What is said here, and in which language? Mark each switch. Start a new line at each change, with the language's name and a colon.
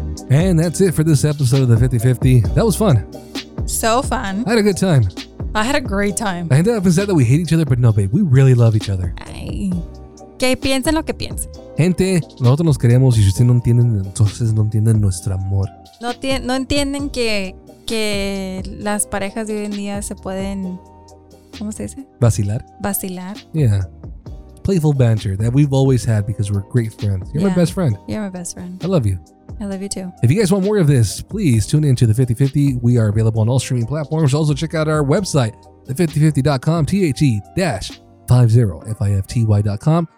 English: And that's it for this episode of the 50-50. That was fun. So fun. I had a good time. I had a great time. I ended up upset that we hate each other, but no, babe. We really love each other.
Spanish: Ay. Que piensen lo que piensen. Gente, nosotros nos queremos y si ustedes no entienden, entonces no entienden nuestro amor. No entienden que las parejas de hoy en día se pueden, ¿cómo se dice? Vacilar. Yeah.
English: Playful banter that we've always had because we're great friends. My best friend. You're my best friend. I love you. I love you too. If you guys want more of this, please tune into The 50-50. We are available on all streaming platforms. Also, check out our website, the5050.com, the50fy.com.